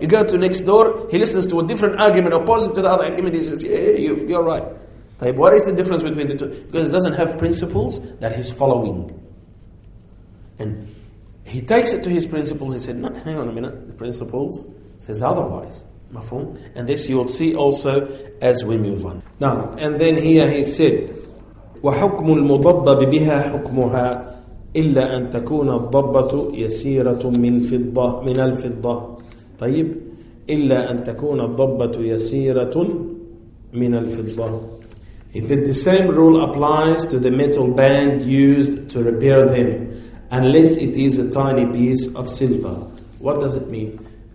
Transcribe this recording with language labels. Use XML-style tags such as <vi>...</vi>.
<en>You go to next door, he listens to a different argument opposite to the other argument, he says, yeah, you're right. طيب, what is the difference between the two? Because he doesn't have principles that he's following. And he takes it to his principles. He said, no, hang on a minute, the principles says otherwise.</en> <ar>مفهوم?</ar> <en>And this you will see also as we move on. Now, and then here he said,</en> <ar>وَحُكْمُ الْمُضَبَّبِ بِهَا حُكْمُهَا إِلَّا أَن تَكُونَ الضَّبَّةُ يَسِيرَةٌ مِنْ فِضَّةٍ مِنَ الْفِضَّةِ طيب, إِلَّا أَن تَكُونَ الضَّبَّةُ يَسِيرَةٌ مِنَ الْفِضَّةِ.</ar> <en>If the same rule applies to the metal band used to repair them, unless it is a tiny piece of silver. What does it mean?</en>